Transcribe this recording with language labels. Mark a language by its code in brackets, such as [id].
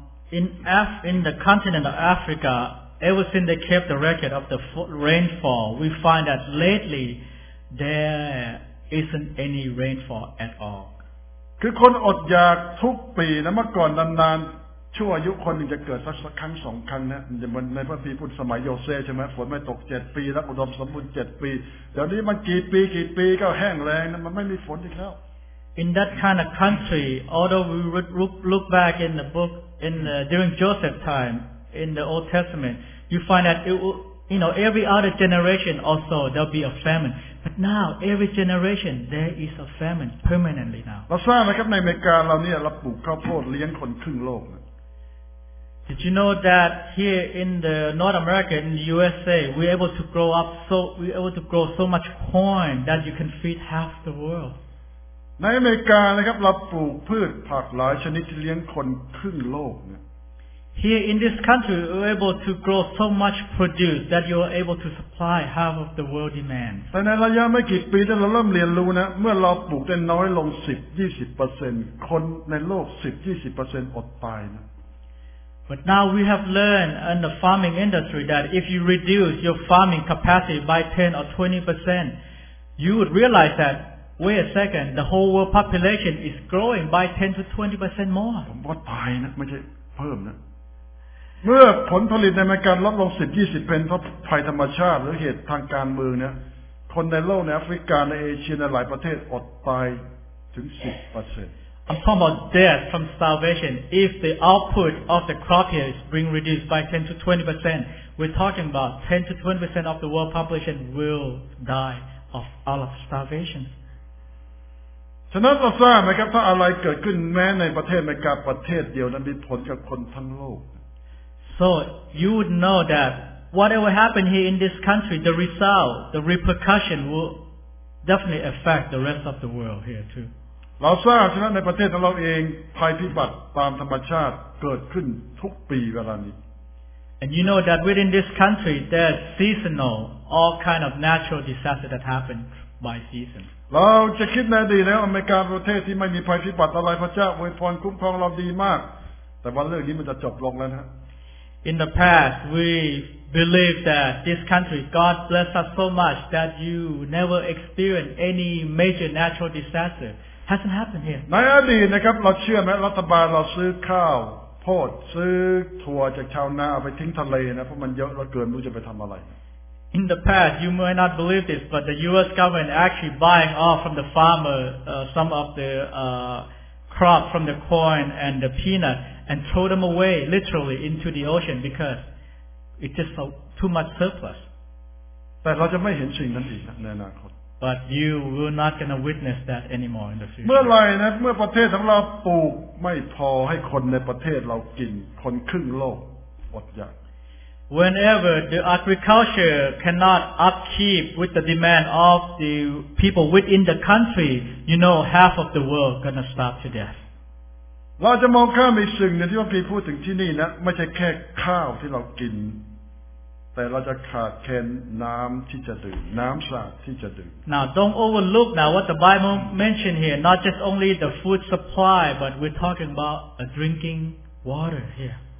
[en] In the continent of Africa, ever since they kept the record of the rainfall, we find that lately there isn't any rainfall at all. [th] คือคนอดอยากทุกปีนะเมื่อก่อนนานๆช่วงอายุคนหนึ่งจะเกิดสักครั้งสองครั้งนะในพระคัมภีร์สมัยโยเซ่ใช่ไหมฝนไม่ตก7ปีแล้วอุดมสมบูรณ์7ปีเดี๋ยวนี้มันกี่ปีก็แห้งแล้งนะมันไม่มีฝนอีกแล้ว [en] In that kind of country, although we look back in the bookduring Joseph's time in the Old Testament, you find that it will, you know, every other generation also there'll be a famine. But now, every generation there is a famine permanently now. [th] เราทราบนะครับในอเมริกาเราเนี่ยเราปลูกข้าวโพดเลี้ยงคนครึ่งโลก [en] Did you know that here in the North America, in the USA, we're able to grow so much corn that you can feed half the world. [th] ในอเมริกานะครับเราปลูกพืชผักหลายชนิดที่เลี้ยงคนครึ่งโลกเนี่ย [en] Here in this country we're able to grow so much produce that you are able to supply half of the world demand [th] แต่ในระยะไม่กี่ปีที่เราเริ่มเรียนรู้นะเมื่อเราปลูกได้น้อยลง 10-20% คนในโลก 10-20% อดตายนะ [en] But now we have learned in the farming industry that if you reduce your farming capacity by 10 or 20% you would realize thatWait a second, the whole world population is growing by 10 to 20% more. [th] ผมว่าตายนะไม่ใช่เพิ่มนะเมื่อผลผลิตในอเมริกาลดลง 10-20% เพราะภัยธรรมชาติหรือเหตุทางการเมืองเนี่ยคนในโลกในแอฟริกาในเอเชียในหลายประเทศอดตายถึง 10% [en] I'm talking about death from starvation. If the output of the crop here is being reduced by 10 to 20%, we're talking about 10 to 20% of the world population will die of all of starvation. [th] ฉะนั้นเราทราบไหมครับถ้าอะไรเกิดขึ้นแม้ในประเทศอเมริกาประเทศเดียวนั้นมีผลกับคนทั้งโลก [en] So you would know that whatever happened here in this country, the result, the repercussion will definitely affect the rest of the world here too. [th] เราทราบฉะนั้นในประเทศของเราเองภัยพิบัติตามธรรมชาติเกิดขึ้นทุกปีเวลานี้ [en] And you know that within this country, there's seasonal, all kind of natural disaster that happen by season. [th] เราจะคิดในอดีตแล้วอเมริกาประเทศที่ไม่มีภัยพิบัติอะไรพระเจ้าอวยพรคุ้มครองเราดีมากแต่วันเรื่องนี้มันจะจบลงแล้วนะ [en] In the past we believed that this country God blessed us so much that you never experienced any major natural disaster hasn't happened here [th] ในอดีตนะครับเราเชื่อไหมรัฐบาลเราซื้อข้าวโพดซื้อถั่วจากชาวนาเอาไปทิ้งทะเลนะเพราะมันเยอะเราเกินรู้จะไปทำอะไร [en] In the past, you may not believe this, but the U.S. government actually buying off from the farmer some of the crop from the corn and the peanut and throw them away literally into the ocean because it's just too much surplus. But you will not going to witness that anymore in the future. [th] เมื่อไรนะเมื่อประเทศของเราปลูกไม่พอให้คนในประเทศเรากินคนครึ่งโลกอดอยาก [en] Whenever the agriculture cannot upkeep with the demand of the people within the country, you know half of the world gonna starve to death. [th] เราจะมองข้ามอีกสิ่งนึงที่พระคัมภีร์พูดถึงที่นี่นะไม่ใช่แค่ข้าวที่เรากินแต่เราจะขาดแคลนน้ำที่จะดื่มน้ำสะอาดที่จะดื่ม [en] Now don't overlook now what the Bible mentioned here not just only the food supply but we're talking about a drinking water here